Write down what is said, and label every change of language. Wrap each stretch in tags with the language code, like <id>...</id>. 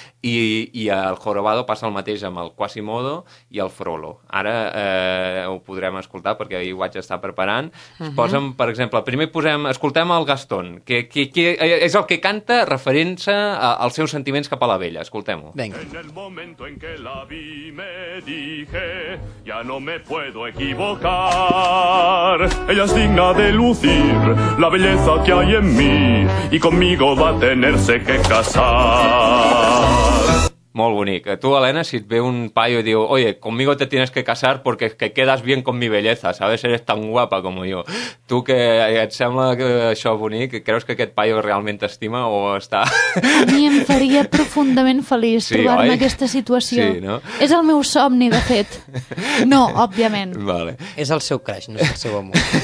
<ca>I el Jorobado passa el mateix amb el Quasimodo i el Frollo. Ara ho podrem escoltar perquè ahir ho vaig estar preparant. Uh-huh. Posem, per exemple, primer escoltem el Gastón, que és el que canta referent-se als seus sentiments cap a la vella. Escoltem-ho.</ca> <es>Venga. En el momento en que la vi me dije ya no me puedo equivocar. Ella es digna de lucir la belleza que hay en mí y conmigo va a tenerse que casar.</es> <ca>Molt bonic. Tu, Helena, si et ve un paio i diu,</ca> <es>oye, conmigo te tienes que casar porque es que quedas bien con mi belleza, sabes, eres tan guapa</es> <ca>com jo. Tu, que et sembla que això bonic, creus que aquest paio realment t'estima o està... A mi em faria profundament feliç, sí, trobar-me en aquesta situació. Sí, no? És el meu somni, de fet. No, òbviament. Vale. És el seu crush, no és el seu amor.</ca>